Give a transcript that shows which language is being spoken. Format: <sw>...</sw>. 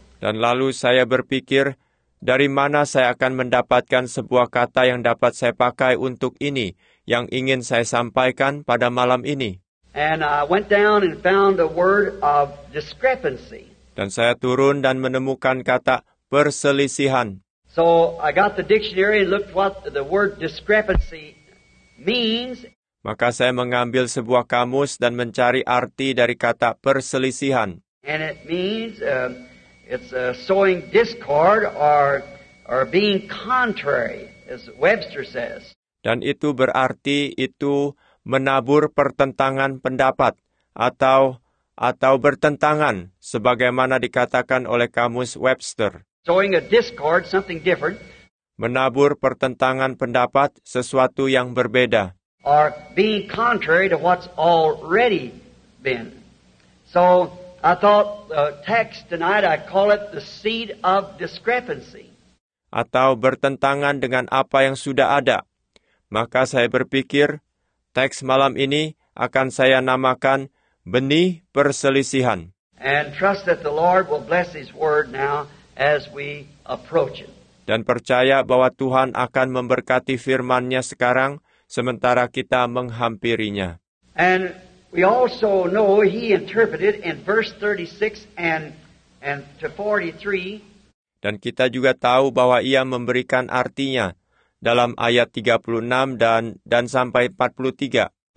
<id>Dan lalu saya berpikir, dari mana saya akan mendapatkan sebuah kata yang dapat saya pakai untuk ini, yang ingin saya sampaikan pada malam ini.</id> <en>And I went down and found a word of discrepancy.</en> <id>Dan saya turun dan menemukan kata perselisihan.</id> <en>So I got the dictionary and looked what the word discrepancy means.</en> <id>Maka saya mengambil sebuah kamus dan mencari arti dari kata perselisihan.</id> <en>And it means it's sowing discord or being contrary, as Webster says.</en> <id>Dan itu berarti itu menabur pertentangan pendapat atau bertentangan, sebagaimana dikatakan oleh kamus Webster.</id> <en>Sowing a discord, something different.</en> <id>Menabur pertentangan pendapat, sesuatu yang berbeda.</id> <en>Or being contrary to what's already been. So I thought the text tonight, I call it the seed of discrepancy.</en> <id>Atau bertentangan dengan apa yang sudah ada. Maka saya berpikir, teks malam ini akan saya namakan benih perselisihan.</id> <en>And trust that the Lord will bless His word now as we approach it.</en> <id>Dan percaya bahwa Tuhan akan memberkati firman-Nya sekarang sementara kita menghampirinya.</id> <en>And we also know he interpreted in verse 36 and to 43.</en> <id>Dan kita juga tahu bahwa ia memberikan artinya dalam ayat 36 dan sampai 43.</id>